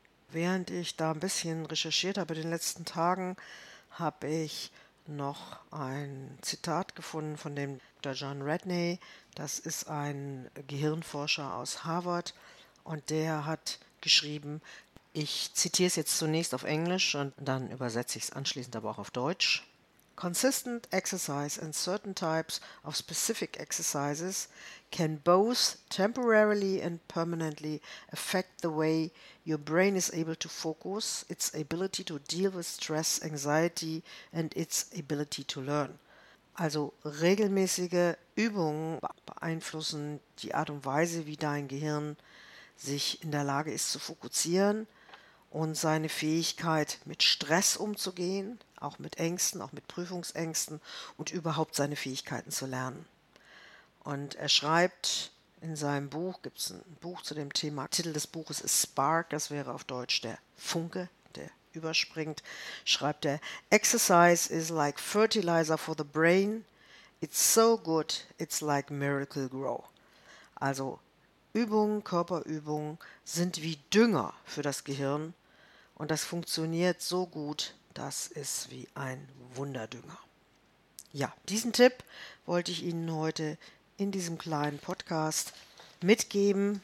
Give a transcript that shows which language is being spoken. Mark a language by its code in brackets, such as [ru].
[de] Während ich da ein bisschen recherchiert habe in den letzten Tagen, habe ich noch ein Zitat gefunden von dem Dr. John Radney. Das ist ein Gehirnforscher aus Harvard und der hat geschrieben, ich zitiere es jetzt zunächst auf Englisch und dann übersetze ich es anschließend aber auch auf Deutsch. [en] Consistent exercise and certain types of specific exercises can both temporarily and permanently affect the way your brain is able to focus, its ability to deal with stress, anxiety and its ability to learn. [de] Also regelmäßige Übungen beeinflussen die Art und Weise, wie dein Gehirn sich in der Lage ist zu fokussieren und seine Fähigkeit, mit Stress umzugehen, auch mit Ängsten, auch mit Prüfungsängsten und überhaupt seine Fähigkeiten zu lernen. Und er schreibt in seinem Buch, gibt es ein Buch zu dem Thema, Titel des Buches ist Spark, das wäre auf Deutsch der Funke, der überspringt, schreibt er, [en] Exercise is like fertilizer for the brain. It's so good, it's like Miracle Grow. [de] Also Übungen, Körperübungen sind wie Dünger für das Gehirn und das funktioniert so gut, das ist wie ein Wunderdünger. Ja, diesen Tipp wollte ich Ihnen heute in diesem kleinen Podcast mitgeben.